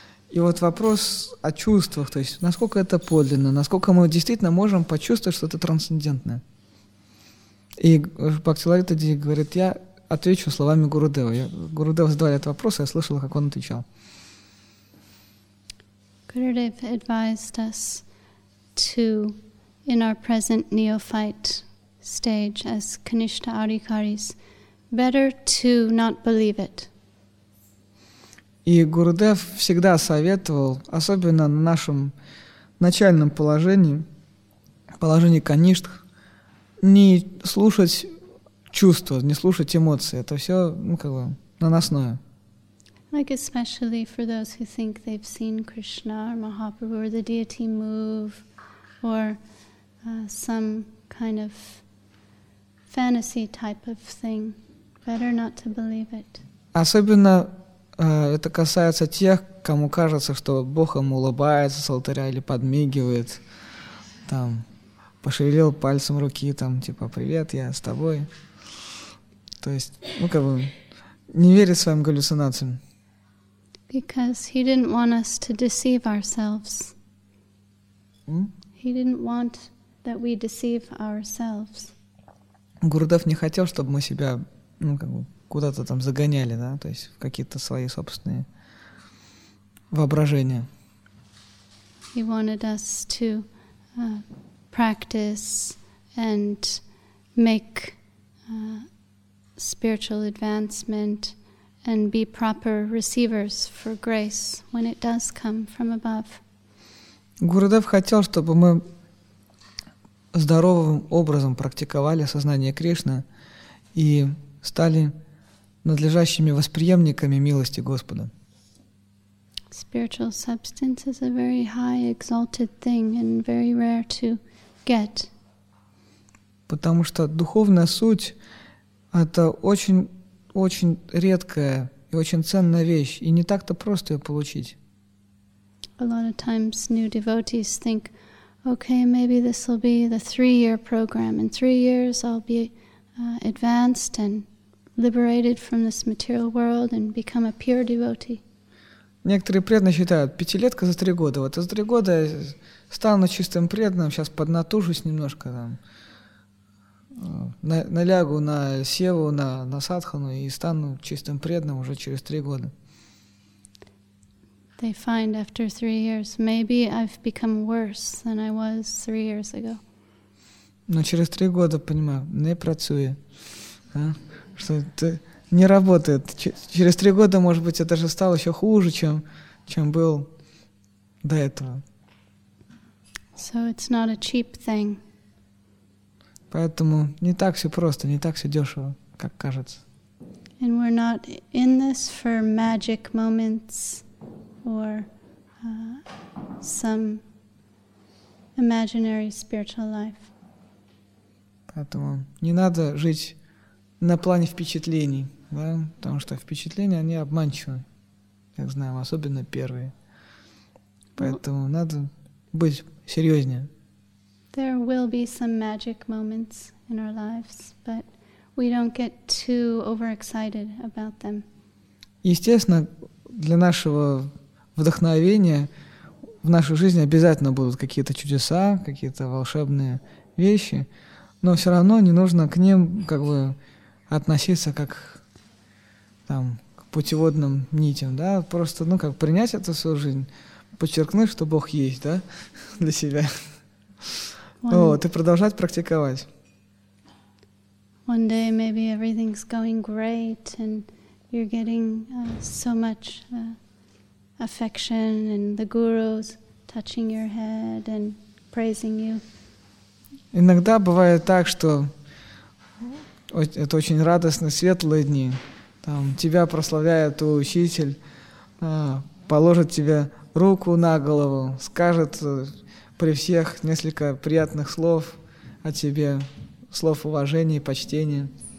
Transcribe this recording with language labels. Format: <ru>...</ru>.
<ru>И вот вопрос о чувствах, то есть насколько это подлинно, насколько мы действительно можем почувствовать что-то трансцендентное. И Бхакти Ларита Ди говорит, я отвечу словами Гурудева. Гурудева задавали этот вопрос, я слышала, как он отвечал.</ru> <en>Гурудев advised us to in our present neophyte stage as Kanishta Adhikaris, better to not believe it.</en> <ru>И Гурудев всегда советовал, особенно на нашем начальном положении, положении Каништ, не слушать чувства, не слушать эмоции. Это все, ну, как бы, наносное.</ru> <en>Like especially for those who think they've seen Krishna or Mahaprabhu or the deity move, or some kind of fantasy type of thing. Better not to believe it.</en> <ru>Особенно это касается тех, кому кажется, что Бог им улыбается с алтаря или подмигивает, там, пошевелил пальцем руки, там, типа, привет, я с тобой. То есть, ну, как бы, не верит своим галлюцинациям.</ru> <en>Because he didn't want us to deceive ourselves. He didn't want that we deceive ourselves.</en> <ru>Гурудев не хотел, чтобы мы себя, ну, как бы, куда-то там загоняли, да, то есть в какие-то свои собственные воображения.</ru> <en>He wanted us to practice and make spiritual advancement and be proper receivers for grace when it does come from above.</en> <ru>Гурудев хотел, чтобы мы здоровым образом практиковали сознание Кришны и стали надлежащими восприемниками милости Господа.</ru> <en>Spiritual substance is a very high exalted thing and very rare to get.</en> <ru>Потому что духовная суть — это очень-очень редкая и очень ценная вещь, и не так-то просто ее получить.</ru> <en>A lot of times new devotees think, okay, maybe this will be the 3-year program. In 3 years I'll be advanced and liberated from this material world and become a pure devotee.</en> <ru>Некоторые преданные считают, 5-летка за 3 года. Вот за 3 года я стану чистым преданным, сейчас поднатужусь немножко, там, налягу на севу, на садхану и стану чистым преданным уже через 3 года.</ru> <en>They find after 3 years, maybe I've become worse than I was 3 years ago.</en> <ru>Но через 3 года понимаю, не</ru> <uk>працую,</uk> <ru>а? Что это не работает. Через 3 года, может быть, я даже стал еще хуже, чем был до этого.</ru> <en>So it's not a cheap thing.</en> <ru>Поэтому не так все просто, не так все дешево, как кажется.</ru> <en>And we're not in this for magic moments. Or some imaginary spiritual life.</en> <ru>Поэтому не надо жить на плане впечатлений, да? Потому что впечатления, они обманчивы, как знаем, особенно первые. Поэтому надо быть серьезнее.</ru> <en>There will be some magic moments in our lives, but we don't get too overexcited about them.</en> <ru>Естественно, для нашего вдохновение в нашей жизни обязательно будут какие-то чудеса, какие-то волшебные вещи, но все равно не нужно к ним как бы относиться как там, к путеводным нитям, да, просто ну как принять эту свою жизнь, подчеркнуть, что Бог есть, да, для себя. Вот, и продолжать практиковать.</ru> <en>One day maybe everything's going great and you're getting so much affection and the gurus touching your head and praising you.</en> <ru>Иногда бывает так, что это очень радостные, светлые дни. Там тебя прославляет учитель, положит тебе руку на голову, скажет при всех несколько приятных слов о тебе, слов уважения и почтения.</ru>